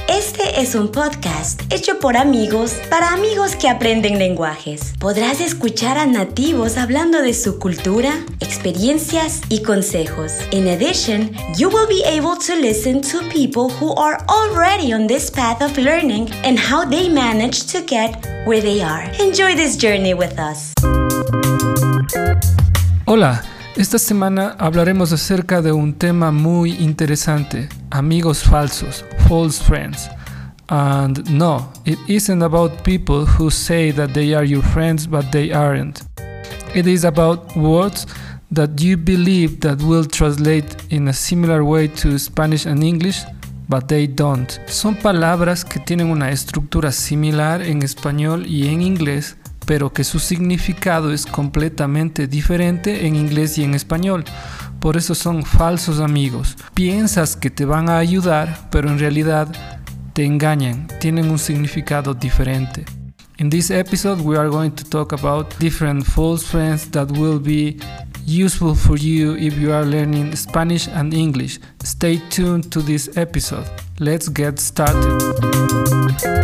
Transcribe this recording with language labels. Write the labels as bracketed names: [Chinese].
[Spanish] Este es un podcast hecho por amigos para amigos que aprenden lenguajes. Podrás escuchar a nativos hablando de su cultura, experiencias y consejos. [English] In addition, you will be able to listen to people who are already on this path of learning and how they managed to get where they are. Enjoy this journey with us. [Spanish] Hola. Esta semana hablaremos acerca de un tema muy interesante, amigos falsos, [English] false friends. And no, it isn't about people who say that they are your friends but they aren't. It is about words that you believe that will translate in a similar way to Spanish and English, but they don't. [Spanish] Son palabras que tienen una estructura similar en español y en inglés, pero que su significado es completamente diferente en inglés y en español. Por eso son falsos amigos. Piensas que te van a ayudar, pero en realidad te engañan. Tienen un significado diferente. [English] In this episode, we are going to talk about different false friends that will be useful for you if you are learning Spanish and English. Stay tuned to this episode. Let's get started.